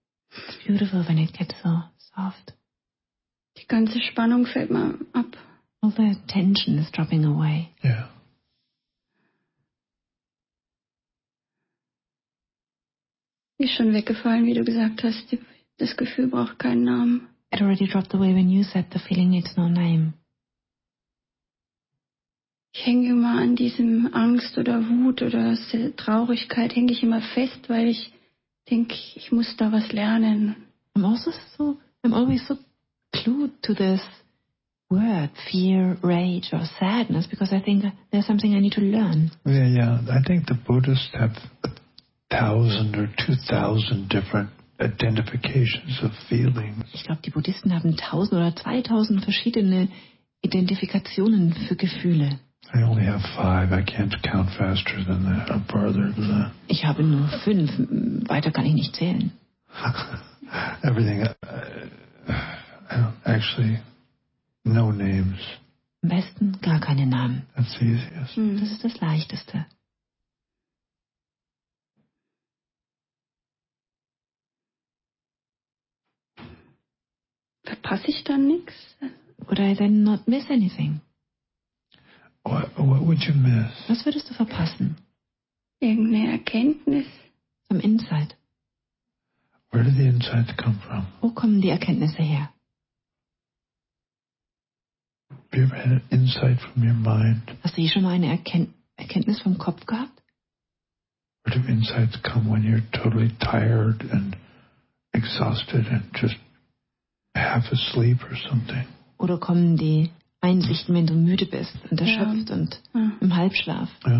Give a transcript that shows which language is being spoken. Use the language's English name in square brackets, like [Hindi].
[English] It's beautiful when it gets so soft. [German] Die ganze Spannung fällt mal ab. [English] All the tension is dropping away. Yeah. [German] Ist schon weggefallen, wie du gesagt hast, das Gefühl braucht keinen Namen. [English] It already dropped away when you said the feeling needs no name. [German] Ich hänge immer an diesem Angst oder Wut oder Traurigkeit, hänge ich immer fest, weil ich denke, ich muss da was lernen. [English] I'm always so clued to this word, fear, rage or sadness, because I think there's something I need to learn. Yeah. I think the Buddhists have 1,000 or 2,000 different identifications of feelings. [German] Ich glaube, die Buddhisten haben 1,000 oder 2,000 verschiedene Identifikationen für Gefühle. [English] I only have 5. I can't count faster than that or further than that. [German] Ich habe nur 5. Weiter kann ich nicht zählen. [English] Everything. Actually, no names. [German] Am besten gar keine Namen. [English] That's the easiest. [German] Das ist das Leichteste. Verpasse ich dann nichts? [English] Would I then not miss anything? What would you miss? [German] Was würdest du verpassen? Irgendeine Erkenntnis. [English] Am Inside. Where do the insights come from? [German] Wo kommen die Erkenntnisse her? [English] Have you ever had an insight from your mind? [German] Hast du schon mal eine Erkenntnis vom Kopf gehabt? [English] Where do insights come when you're totally tired and exhausted and just half asleep or something? [German] Oder kommen die Einsichten, wenn du müde bist und erschöpft und im Halbschlaf.